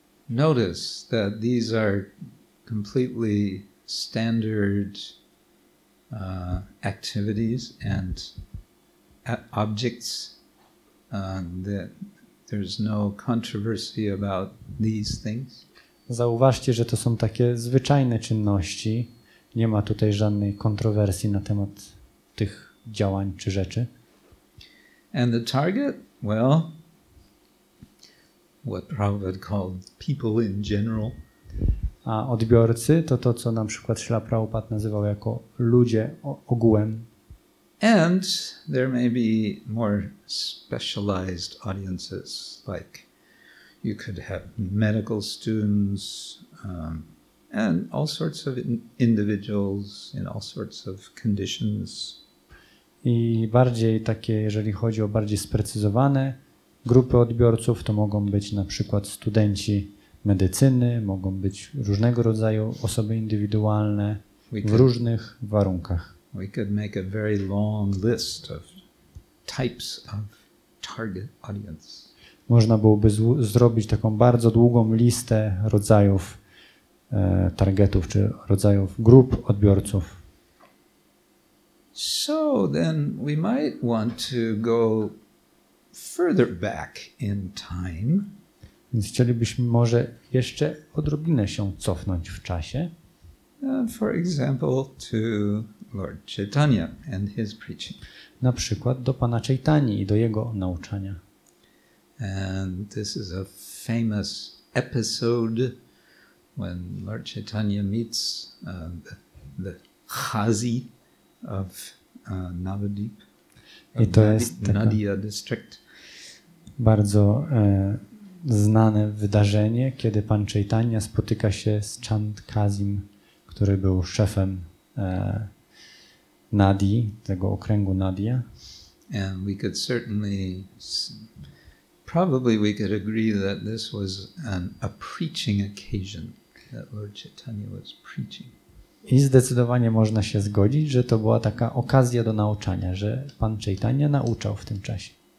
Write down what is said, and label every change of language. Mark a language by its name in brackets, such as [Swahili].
[English] Notice that these are completely standard activities and objects that there's no controversy about these things. [Polish] Zauważcie, że to są takie zwyczajne czynności. Nie ma tutaj żadnej kontrowersji na temat tych działań czy rzeczy. [English] And the target? Well, what Prabhupada called people in general. [Polish] A odbiorcy to to, co na przykład Śrila Prabhupada nazywał jako ludzie ogółem. [English] And there may be more specialized audiences, like you could have medical students, and all sorts of individuals in all sorts of conditions. [Polish] I bardziej takie, jeżeli chodzi o bardziej sprecyzowane grupy odbiorców, to mogą być na przykład studenci medycyny, mogą być różnego rodzaju osoby indywidualne w różnych warunkach. [English] We could make a very long list of types of target audience. [Polish] Można byłoby zrobić taką bardzo długą listę rodzajów targetów czy rodzajów grup odbiorców. [English] So then we might want to go further back in time. [Polish] Więc chcielibyśmy może jeszcze odrobinę się cofnąć w czasie. [English] For example, to Lord Chaitanya and his preaching. [Polish] Na przykład do pana Chaitanyi i do jego nauczania. [English] And this is a famous episode when Lord Chaitanya meets the Khazi of Navadvip, [Polish] i to jest [English] Nadia district. [Polish] Bardzo znane wydarzenie, kiedy pan Chaitanya spotyka się z Chand Kazim, który był szefem Nadii, tego okręgu Nadia. [English] And we could certainly, probably we could agree that this was a preaching occasion. That Lord Chaitanya was preaching. [Polish] I zdecydowanie można się zgodzić, że to była taka okazja do nauczania, że pan Chaitanya nauczał w tym czasie.